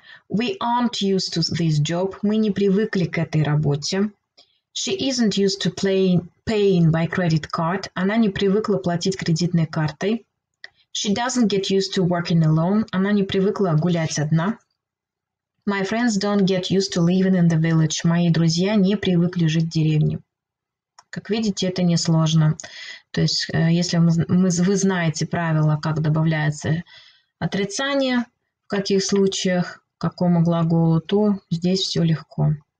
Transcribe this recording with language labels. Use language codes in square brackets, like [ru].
[en] We aren't used to this job. [ru] Мы не привыкли к этой работе. [en] She isn't used to paying by credit card. [ru] Она не привыкла платить кредитной картой. [en] She doesn't get used to working alone. [ru] Она не привыкла гулять одна. [en] My friends don't get used to living in the village. [ru] Мои друзья не привыкли жить в деревне. Как видите, это несложно. То есть, если вы знаете правила, как добавляется отрицание, в каких случаях, какому глаголу, то здесь все легко.